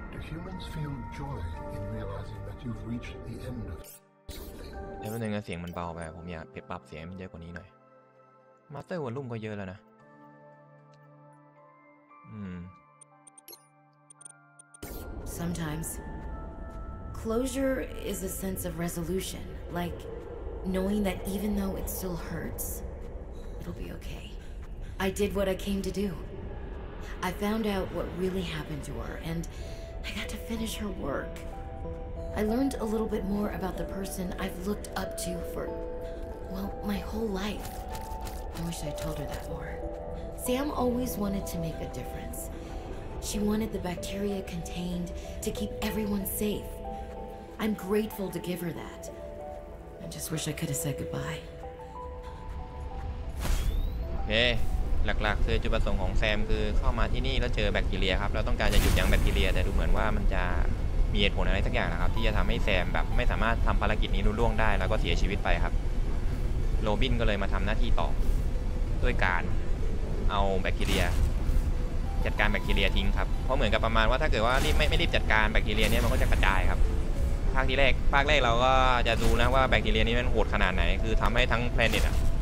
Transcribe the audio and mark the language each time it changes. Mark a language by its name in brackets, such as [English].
[English] Humans feel joy in realizing that you've reached the end of something. [Thai] แล้วนึงเสียงมันเบาไปผมอยากปรับเสียงให้เยอะกว่านี้หน่อย Master volume ก็เยอะแล้วนะ [English] Sometimes closure is a sense of resolution, like knowing that even though it still hurts, it'll be okay. I did what I came to do. I found out what really happened to her andI got to finish her work. I learned a little bit more about the person I've looked up to for, well, my whole life. I wish I told her that more. Sam always wanted to make a difference. She wanted the bacteria contained to keep everyone safe. I'm grateful to give her that. I just wish I could have said goodbye. Hey. [Thai] หลักๆคือจุดประสงค์ของแซมคือเข้ามาที่นี่แล้วเจอแบคทีเรียครับแล้วต้องการจะหยุดยั้งแบคทีเรียแต่ดูเหมือนว่ามันจะมีเหตุผลอะไรสักอย่างนะครับที่จะทำให้แซมแบบไม่สามารถทำภารกิจนี้ลุล่วงได้แล้วก็เสียชีวิตไปครับโรบินก็เลยมาทำหน้าที่ต่อด้วยการเอาแบคทีเรียจัดการแบคทีเรียทิ้งครับเพราะเหมือนกับประมาณว่าถ้าเกิดว่ารีบไม่รีบจัดการแบคทีเรียเนี่ยมันก็จะกระจายครับภาคแรกเราก็จะดูนะว่าแบคทีเรียนี้มันโหดขนาดไหนคือทำให้ทั้งแพลเน็ตอ่ะ